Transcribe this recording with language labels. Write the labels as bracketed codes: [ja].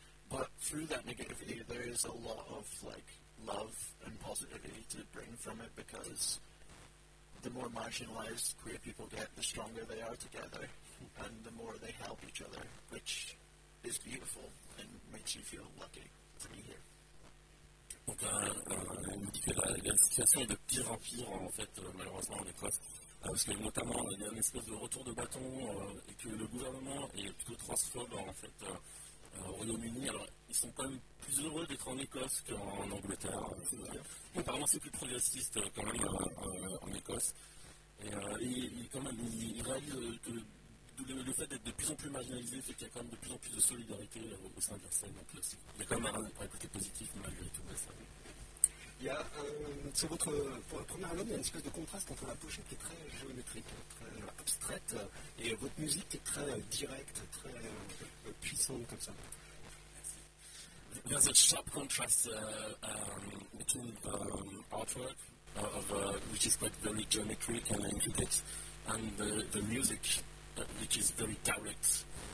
[en] But through that negativity, there is a lot of, like, love and positivity to bring from it, because the more marginalized queer people get, the stronger they are together, and the more they help each other, which is beautiful and makes you feel lucky to be here. [fr] Donc, on dit que la situation est de pire en pire, en fait, malheureusement, en Écosse, parce que notamment, il y a une espèce de retour de bâton, et que le gouvernement est plutôt transphobe, en fait, au Royaume-Uni. Alors, ils sont quand même plus heureux d'être en Écosse qu'en Angleterre. Apparemment, c'est plus progressiste quand même en Écosse. Et quand même, il réalise que le fait d'être de plus en plus marginalisé fait qu'il y a quand même de plus en plus de solidarité au sein de la scène. Donc, il y a quand même un côté positif malgré tout. Ça. Pour le premier album, il y a une espèce de contraste entre la pochette qui est très géométrique, très abstraite, et votre musique qui est très directe, très puissante comme ça. [en] There's a sharp contrast between artwork, which is quite very geometric and intricate, and the music, which is very direct.